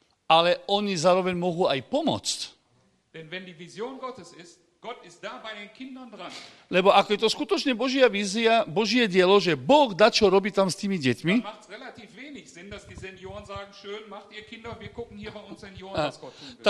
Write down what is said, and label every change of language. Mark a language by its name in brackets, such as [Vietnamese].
[Slovak] Ale oni zároveň mohú aj pomôcť. [German] Denn wenn die Vision Gottes ist, Gott ist da bei den Kindern dran. [Slovak] Lebo ako je to skutočne Božia vízia, Božie dielo, že Boh dačo robí tam s tými deťmi. [German] Dann macht's relativ wenig Sinn, dass die Senioren sagen, schön, macht ihr Kinder, wir gucken hier bei uns Senioren, was Gott tun will.